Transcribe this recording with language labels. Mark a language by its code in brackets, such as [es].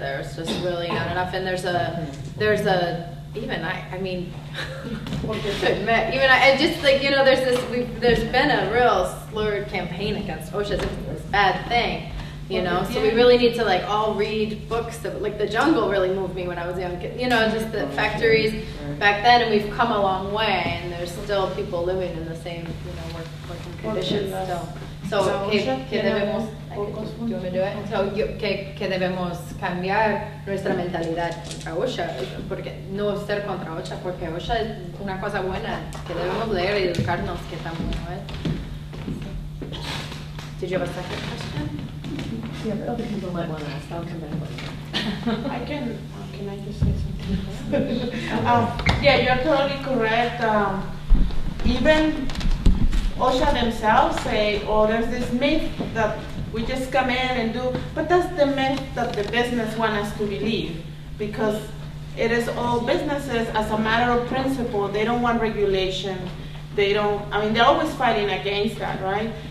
[en] There's just really not enough, and there's been a real slurred campaign against OSHA. It's a bad thing, you know. So we really need to like all read books. The Jungle really moved me when I was young. You know, just the factories back then, and we've come a long way. And there's still people living in the same, you know, working conditions still. [es] So que debemos cambiar nuestra mentalidad contra OSHA, porque no ser contra OSHA, porque OSHA es una cosa buena que debemos leer y educarnos que está muy bueno. [en] Did you have a second question? Yeah, but other people might want to ask. Can I just say something? Yeah, you're totally correct. Even OSHA themselves say, oh, there's this myth that we just come in and do, but that's the myth that the business wants us to believe, because it is all businesses, as a matter of principle, they don't want regulation, they're always fighting against that, right?